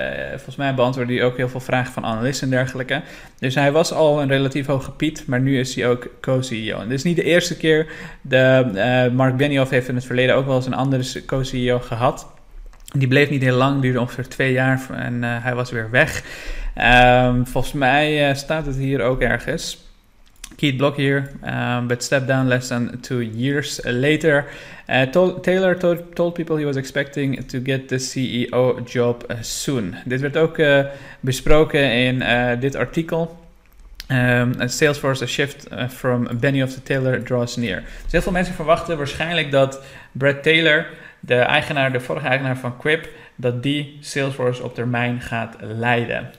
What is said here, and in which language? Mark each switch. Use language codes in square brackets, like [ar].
[nl] Volgens mij beantwoordde hij ook heel veel vragen van analisten en dergelijke. Dus hij was al een relatief hoge piet, maar nu is hij ook co-CEO. En dit is niet de eerste keer. Mark Benioff heeft in het verleden ook wel eens een andere co-CEO gehad. Die bleef niet heel lang, duurde ongeveer 2 jaar en hij was weer weg. Volgens mij staat het hier ook ergens. [en] Keith Block hier, but stepped down less than 2 years later. Taylor told people he was expecting to get the CEO job soon. [nl] Dit werd ook besproken in dit artikel. [en] Salesforce, a shift from Benioff to Taylor draws near. [nl] Dus heel veel mensen verwachten waarschijnlijk dat Brad Taylor, de vorige eigenaar van Quip, dat die Salesforce op termijn gaat leiden.